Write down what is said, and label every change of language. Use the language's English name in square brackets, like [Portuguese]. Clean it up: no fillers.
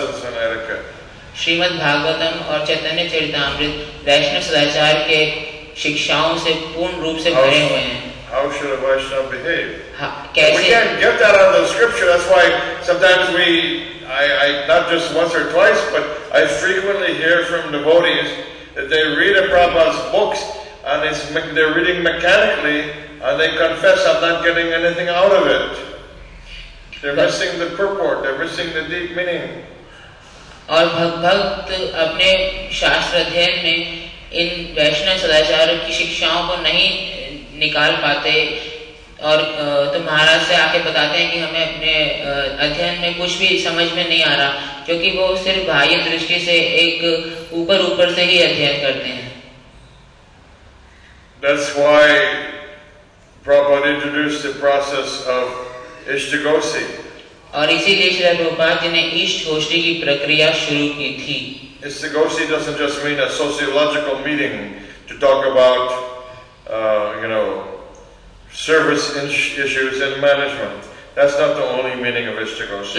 [Hindi] श्रीमद् भागवतम और चैतन्य चरितामृत वैष्णव सदाचार के शिक्षाओं से पूर्ण रूप से भरे हुए हैं. [English] How should a Vaishnava behave? We can't get that out of the scripture. That's why sometimes I not just once or twice, but I frequently hear from devotees that they read a Prabhupada's books and they're reading mechanically and they confess I'm not getting anything out of it. They're missing the purport. They're missing the deep meaning. [Hindi] और भक्त अपने शास्त्र अध्ययन में इन वैष्णव सदाचारों की शिक्षाओं को नहीं निकाल पाते और तो महाराज से आके बताते हैं कि हमें अपने अध्ययन में कुछ भी समझ में नहीं आ रहा, क्योंकि वो सिर्फ बाह्य दृष्टि से एक ऊपर ऊपर से ही अध्ययन करते हैं। [English] That's why Prabhupada introduced the process of ishtagosi. [Hindi] और इसीलिए श्री प्रभुपाद जी ने इष्ट गोष्ठी की प्रक्रिया शुरू की थी। [English] Ishtagosi doesn't just mean a sociological meeting to talk about, you know, service issues and management. That's not the only meaning of ishtagosi.